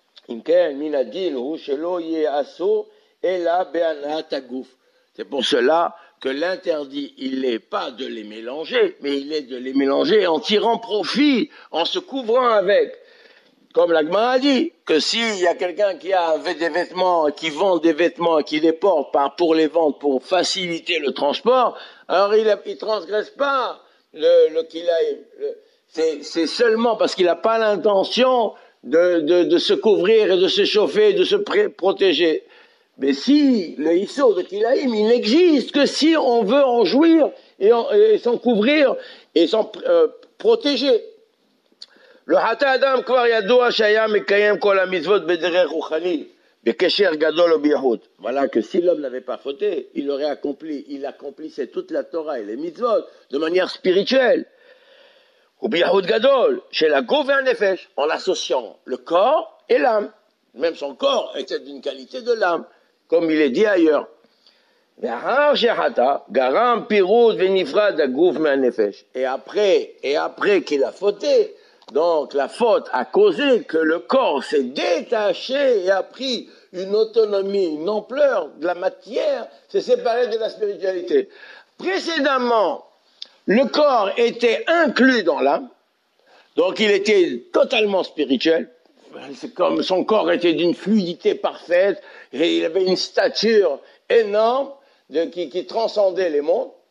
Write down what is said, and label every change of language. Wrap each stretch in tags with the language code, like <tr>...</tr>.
<he>אם כן, מן הדין הוא שלא יעשו אלא בהנאת הגוף.</he> <fr>C'est pour cela que l'interdit, il n'est pas de les mélanger, mais il est de les mélanger en tirant profit, en se couvrant avec. Comme la Gemara a dit, que s'il y a quelqu'un qui a des vêtements, qui vend des vêtements et qui les porte pour les vendre, pour faciliter le transport, alors il ne transgresse pas le kilaïm. C'est seulement parce qu'il n'a pas l'intention de se couvrir et de se chauffer, de se protéger. Mais si le issur de kilaïm, il n'existe que si on veut en jouir et s'en couvrir et s'en protéger.</fr> <he>לא חטא אדם כבר ידוע שהיה מקיים כל המצוות בדרך רוחני, בקשר גדול ובייחוד.</he> <fr>Voilà que si l'homme n'avait pas fauté, il aurait accompli, il accomplissait toute la Torah et les mitzvot de manière spirituelle.</fr> <he>ובייחוד גדול, של הגוף והנפש,</he> <fr>en associant le corps et l'âme. Même son corps était d'une qualité de l'âme, comme il est dit ailleurs.</fr> <he>ואחר שחטא, גרם פירוד ונפרד הגוף מהנפש.</he> <fr>Et après qu'il a fauté, donc la faute a causé que le corps s'est détaché et a pris une autonomie, une ampleur de la matière, s'est séparé de la spiritualité. Précédemment, le corps était inclus dans l'âme, donc il était totalement spirituel, c'est comme son corps était d'une fluidité parfaite, et il avait une stature énorme qui transcendait les mondes.</fr>